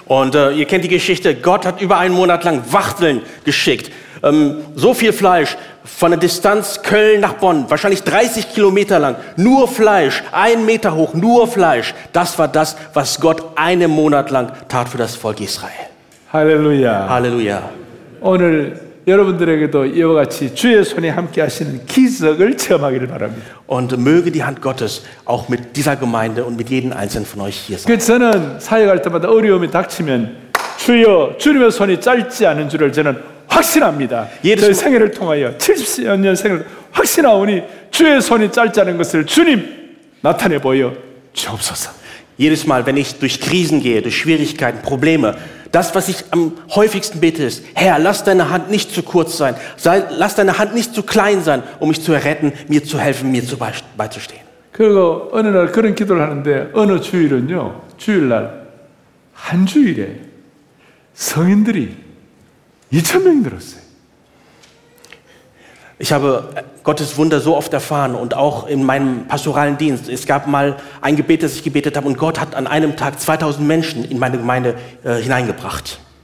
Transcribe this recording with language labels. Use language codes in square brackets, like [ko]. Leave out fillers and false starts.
[de] Und ihr kennt die Geschichte. Gott hat über einen Monat lang Wachteln geschickt. So viel Fleisch von der Distanz Köln nach Bonn, wahrscheinlich 30 Kilometer lang, nur Fleisch, ein Meter hoch, nur Fleisch. Das war das, was Gott einen Monat lang tat für das Volk Israel. Halleluja. Halleluja. [ko] 오늘 여러분들에게도 이와 같이 주의 손이 함께 하시는 기적을 체험하기를 바랍니다. [de] Und möge die Hand Gottes auch mit dieser Gemeinde und mit jedem einzelnen von euch hier sein. [ko] 그 저는 사역할 때마다 어려움이 닥치면 주여, 주님의 손이 짧지 않은 줄을 저는 확신합니다. 저의 생애를 통하여 70년 생을 확신하오니 주의 손이 짧지 않은 것을 주님 나타내 보여 주옵소서. [de] Jedes Mal, wenn ich durch Krisen gehe, durch Schwierigkeiten, Probleme, das, was ich am häufigsten bete, ist: Herr, lass deine Hand nicht zu kurz sein, lass deine Hand nicht zu klein sein, um mich zu retten, mir zu helfen, mir beizustehen. [ko] 그리고 어느 날 그런 기도를 하는데 어느 주일은요, 주일날 한 주일에 성인들이 2,000명이 늘었어요. [de] Ich habe Gottes Wunder so oft erfahren und auch in meinem pastoralen Dienst. Es gab mal ein Gebet, das ich gebetet habe und Gott hat an einem Tag 2,000 Menschen in meine Gemeinde hineingebracht.